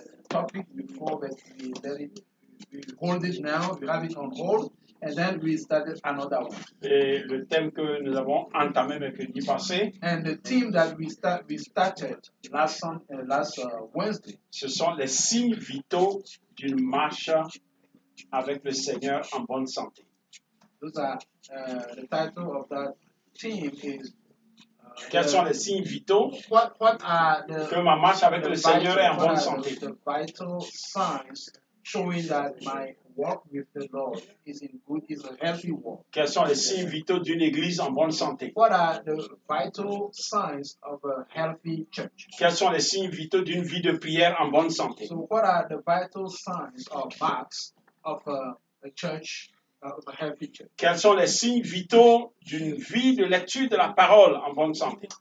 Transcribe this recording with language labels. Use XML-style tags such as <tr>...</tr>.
<en>Topic before, but we hold it now. We have it on hold, and then we started another one.</en> <fr>Et le thème que nous avons entamé mercredi passé.</fr> <en>And the theme that we started last Wednesday.</en> <fr>Ce sont les signes vitaux d'une marche avec le Seigneur en bonne santé.</fr> <en>Those are the title of that theme is.</en> <fr>Quels sont les signes vitaux</fr> <en>what are the,</en> <fr>que ma marche avec le Seigneur est en bonne santé?</fr> <en>The vital signs showing that my walk with the Lord is in good, is a healthy walk.</en> <fr>Quels sont les signes vitaux d'une église en bonne santé?</fr> <en>What are the vital signs of a healthy church?</en> <fr>Quels sont les signes vitaux d'une vie de prière en bonne santé?</fr> <en>So what are the vital signs or marks of a church?</en> <fr>Quels sont les signes vitaux d'une vie de lecture de la parole en bonne santé?</fr>